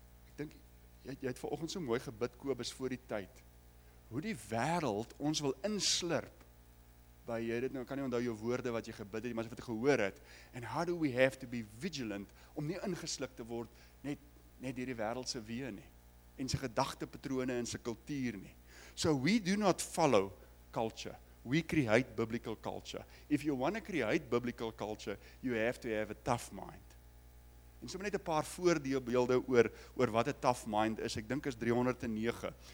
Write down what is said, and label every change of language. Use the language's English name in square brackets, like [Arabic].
[Afrikaans] Ek dink, jy het vanoggend so mooi gebid, Kobus, voor die tyd, hoe die wêreld ons wil inslurp, by jy dit, nou kan nie onthou jou woorde wat jy gebid het, maar as wat jy gehoor het, [English] and how do we have to be vigilant, [Afrikaans] om nie ingeslik te word, net hierdie wêreldse weë nie, en sy gedagtepatrone en sy kultuur nie. [English] So we do not follow culture, we create biblical culture. If you want to create biblical culture, you have to have a tough mind. [Afrikaans] En so net 'n paar voorbeelde oor wat 'n tough mind is, ek dink is 309.